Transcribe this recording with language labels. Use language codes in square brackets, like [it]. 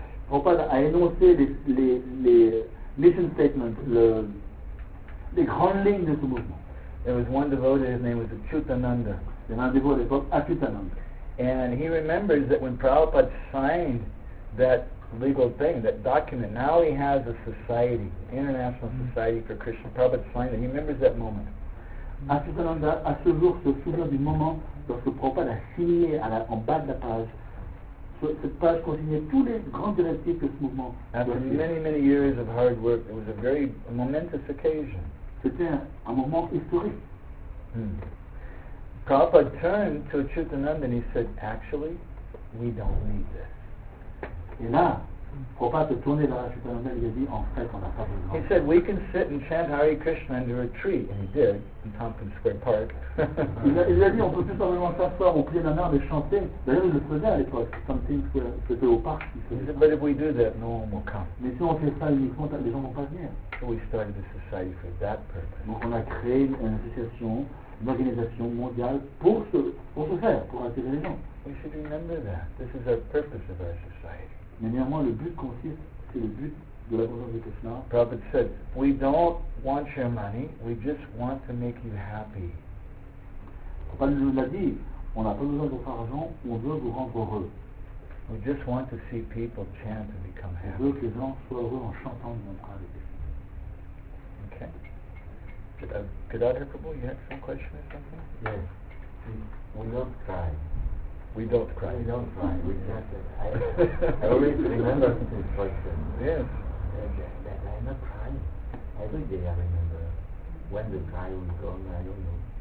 [fr] Prabhupada a énoncé les [en] mission statements, [fr] les grandes lignes de ce mouvement. [en] There was one devotee, his name was Achyutananda. [fr] Il y en a un dévoté, Achyutananda. [en] And he remembers that when Prabhupada signed that legal thing, that document, now he has a society, International Society for Krishna. Prabhupada signed it, he remembers that moment. [fr] Achyutananda, à ce jour, se souvient du moment lorsque Prabhupada a signé en bas de la page. Cette page contenait tous les grands directifs que ce mouvement. [en] After many, many years of hard work, it was a very momentous occasion. [fr] C'était un moment historique. [en] Prabhupada turned to Achyutananda and he said, actually, we don't need this. [fr] Et là, Prabhupada se tournait vers Achyutananda et il a dit, en fait, on n'a pas besoin. [en] He said, we can sit and chant Hare Krishna under a tree. And he did, in Tompkins Square Park. [fr] il a dit, on peut tout simplement s'asseoir au pied d'un arbre et chanter. D'ailleurs, il le faisait à l'époque, Tompkins Square, c'était au parc. [en] Said, but if we do that, no one will come. [fr] Mais si on fait ça uniquement, les gens ne vont pas venir. [en] So we started a society for that purpose. [fr] Donc on a créé une association, une organisation mondiale pour attirer les gens. [en] We should remember that. This is our purpose of our society. [fr] Mais néanmoins, le but consiste, c'est le but de la présence de Krishna. [en] Prabhupada said, we don't want your money, we just want to make you happy. [fr] Prabhupada nous l'a dit, on n'a pas besoin de votre argent, on veut vous rendre heureux. [en] We just want to see people chant and become happy. [fr] On veut que les gens soient heureux en chantant le mantra de Krishna. [en] Okay. Gadadhar Prabhu, you had some question or something? Yes. We don't cry. We don't cry. We don't cry. We just. I always remember this question. Yes. That I'm not crying. Every day I remember when the cry will come, I don't know.